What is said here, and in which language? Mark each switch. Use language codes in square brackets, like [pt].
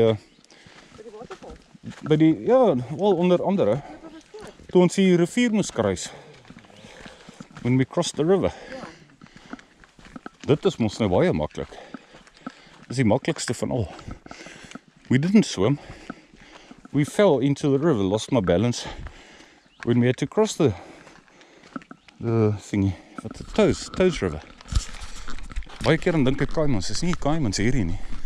[af] by die waterval. By die ja, wel onder andere. Toe ons die rivier moes kruis. [en] When we cross the river. [af] Ja. Dit is mos nou baie maklik. Dit is die maklikste van al. [en] We didn't swim. We fell into the river, lost my balance. When we had to cross the thingy. [af] Wat is Toes, Toes River. Baie keer dink ek Kaimans, is nie Kaimans hierdie nie.